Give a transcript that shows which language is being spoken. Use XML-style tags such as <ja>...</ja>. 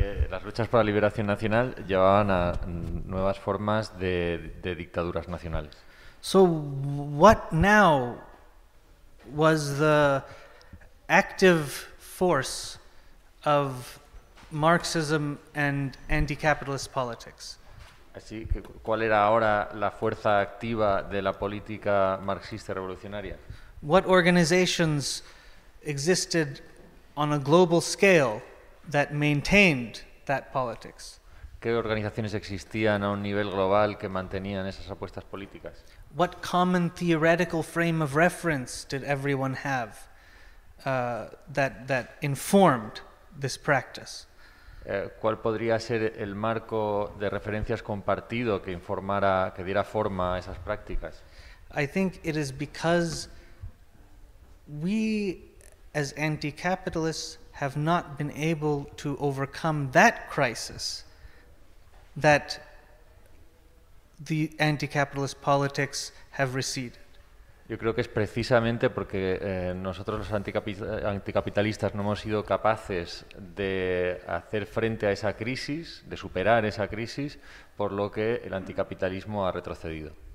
<es>Las luchas por la liberación nacional llevaban a nuevas formas de dictaduras nacionales.</es> <en>So what now was the active force of Marxism and anti-capitalist politics?</en> <es>Así que, ¿cuál era ahora la fuerza activa de la política marxista revolucionaria?</es> <en>What organizations existed on a global scale that maintained that politics?</en> <es>¿Qué organizaciones existían a un nivel global que mantenían esas apuestas políticas?</es> <en>What common theoretical frame of reference did everyone have that informed this practice?</en> <es>¿Cuál podría ser el marco de referencias compartido que informara, que diera forma a esas prácticas?</es> <en>I think it is because we as anti-capitalists have not been able to overcome that crisis that the anti-capitalist politics have receded.</en> <es>Yo creo que es precisamente porque nosotros los anticapitalistas no hemos sido capaces de hacer frente a esa crisis, de superar esa crisis, por lo que el anticapitalismo ha retrocedido.</es>